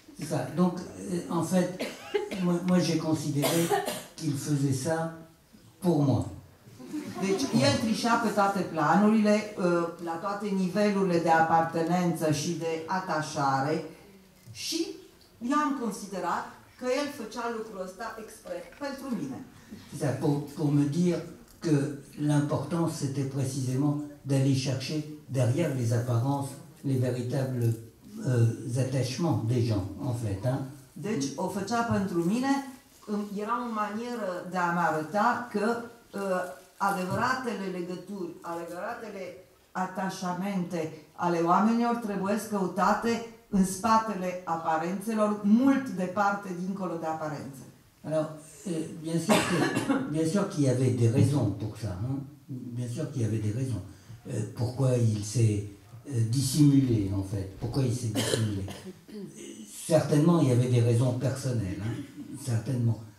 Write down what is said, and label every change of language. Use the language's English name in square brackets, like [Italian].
[French] Da, donc, en fait, moi j'ai considéré qu'il faisait ça pour moi. [Romanian] Deci el trișa pe toate planurile, la toate nivelurile de apartenență și de atașare și eu am considerat că el făcea lucrul ăsta expres pentru mine. [French] Da, pour me dire que l'important c'était précisément d'aller chercher derrière les apparences les véritables attachements des gens, en fait. Hein. [Romanian] Deci o făcea pentru mine, era o manieră de a-mi arăta că adevăratele legături, adevăratele atașamente ale oamenilor trebuie căutate în spatele aparențelor, mult departe dincolo de aparențe. [French] Alors, bien sûr qu'il y avait des raisons pour ça, hein? Bien sûr qu'il y avait des raisons. Pourquoi il s'est dissimulé, en fait? Pourquoi il s'est dissimulé? Certainement, il y avait des raisons personnelles, hein? Certainement.